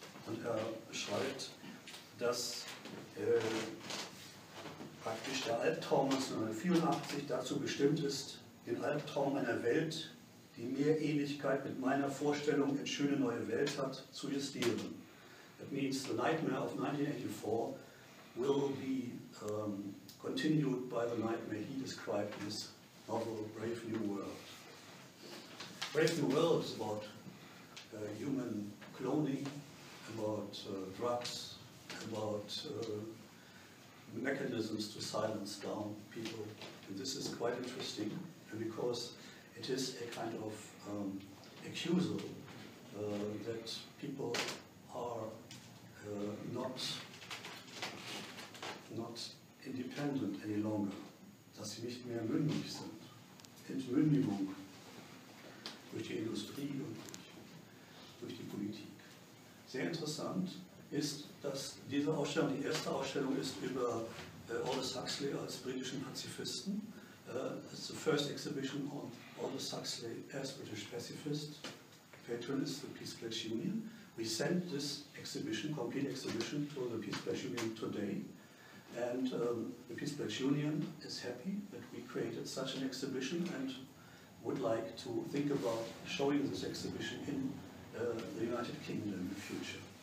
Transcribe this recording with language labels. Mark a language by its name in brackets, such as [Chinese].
[German] Und er beschreibt, dass praktisch der Albtraum 1984 dazu bestimmt ist, den Albtraum einer Welt, die mehr Ähnlichkeit mit meiner Vorstellung in schöne neue Welt hat, zu justieren. [English] That means the nightmare of 1984 will be continued by the nightmare he described in his novel Brave New World. Brave New World is about human cloning, about drugs, about mechanisms to silence down people. And this is quite interesting because it is a kind of accusal that people are not independent any longer, [German] dass sie nicht mehr mündig sind. Entmündigung durch die Industrie und durch die Politik. Sehr interessant ist, dass diese Ausstellung, die erste Ausstellung ist über Aldous Huxley als britischen Pazifisten. [English] It's the first exhibition on Aldous Huxley as British pacifist, patronist of the Peace Pledge Union. We sent this exhibition, complete exhibition, to the Peace Pledge Union today. And the Peace Pledge Union is happy that we created such an exhibition and would like to think about showing this exhibition in the United Kingdom in the future.